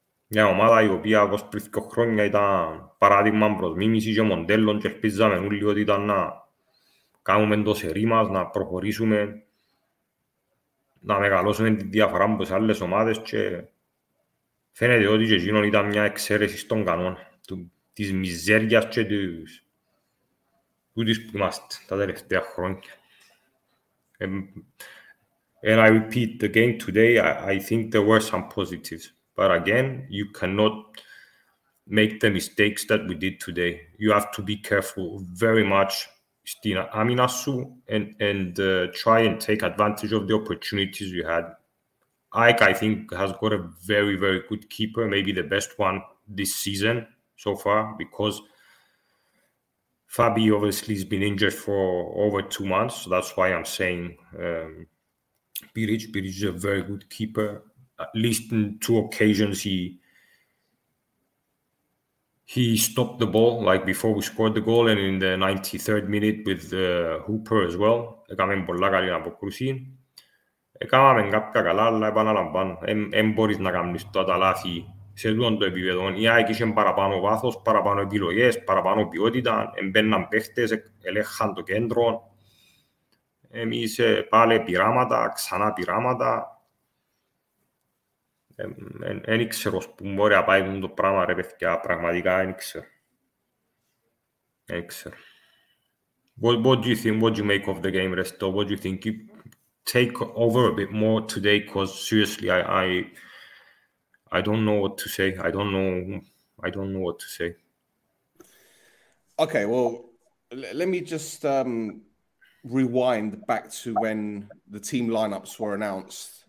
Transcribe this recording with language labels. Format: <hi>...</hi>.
<el>Μια ομάδα η οποία πως πριν 2 χρόνια ήταν παράδειγμα προς μίμηση και μοντέλων και ελπίζαμε όλοι ότι ήταν να κάνουμε το σερί μας, να προχωρήσουμε, να μεγαλώσουμε τη διαφορά μου σε άλλες ομάδες και φαίνεται ότι και εκείνον ήταν μια εξαίρεση στον κανόνα της μιζέριας και τούτης που είμαστε τα τελευταία χρόνια.</el> <en>And I repeat again today, I think there were some positives. But again, you cannot make the mistakes that we did today. You have to be careful very much,</en> <el>Stina Aminasu,</el> <en>and try and take advantage of the opportunities you had. AEK, I think, has got a very, very good keeper, maybe the best one this season so far, because Fabi obviously has been injured for over 2 months. So that's why I'm saying Biric is a very good keeper. At least in 2 occasions, he stopped the ball, like before we scored the goal, and in the 93rd minute with Hooper as well.</en> <el>Έκαμε πολλά καλή αποκρούση. Έκαμε κάποια καλά, αλλά επαναλαμβάνω. Εν μπορείς να κάνεις τα λάθη σε τούτον το επίπεδο. Η ΑΕΚ είχε παραπάνω βάθος, παραπάνω επιλογές, παραπάνω ποιότητα. Εμπαίναν παίχτες, ελέγχαν το κέντρο. Εμείς πάλι πειράματα, ξανά πειράματα. Δεν ξέρω που μπορεί να πάει το πράγμα, ρε παιδιά, πραγματικά δεν ξέρω. Δεν ξέρω.</el> <en>What do you think, what do you make of the game, Resto? What do you think? You take over a bit more today, because seriously, I don't know what to say. I don't know what to say. Okay, well, let me just rewind back to when the team lineups were announced.</en>